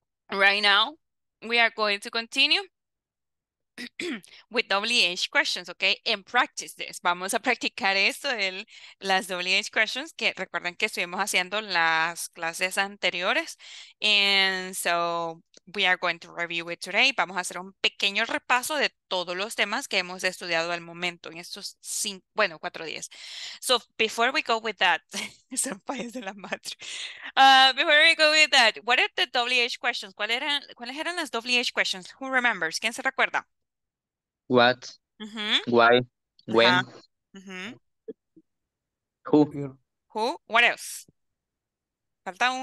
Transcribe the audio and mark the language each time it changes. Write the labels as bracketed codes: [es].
[en] Right now, we are going to continue with WH questions, okay? And practice this. [es] Vamos a practicar esto de las WH questions, que recuerden que estuvimos haciendo las clases anteriores. [en] And so we are going to review it today. [es] Vamos a hacer un pequeño repaso de todos los temas que hemos estudiado al momento en estos cinco, bueno, 4 días. [en] So before we go with that, [es] son países de la madre. [en] Before we go with that, what are the WH questions? [es] ¿Cuáles eran las WH questions? [en] Who remembers? [es] ¿Quién se recuerda? [en] What, why, when, Who? What else? [es] Falta una.